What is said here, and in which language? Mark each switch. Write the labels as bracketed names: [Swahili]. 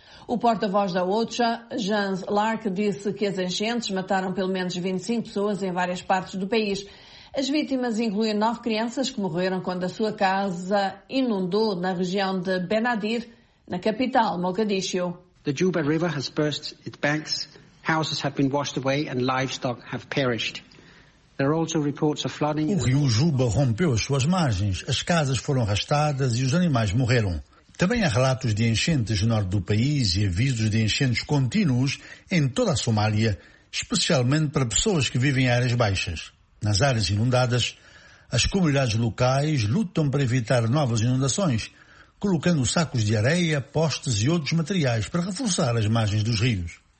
[Portuguese] O porta-voz da OCHA, Jens Lark, disse que as enchentes mataram pelo menos 25 pessoas em várias partes do país. As vítimas incluem 9 crianças que morreram quando a sua casa inundou na região de Benadir, na capital, Mogadíscio. [English] The Juba River has burst its banks. Houses have been washed away and livestock have perished. There are also reports of flooding. [Portuguese] O rio Juba rompeu as suas margens, as casas foram arrastadas e os animais morreram. Também há relatos de enchentes no norte do país e avisos de enchentes contínuos em toda a Somália, especialmente para pessoas que vivem em áreas baixas. Nas áreas inundadas, as comunidades locais lutam para evitar novas inundações, colocando sacos de areia, postes e outros materiais para reforçar as margens dos rios.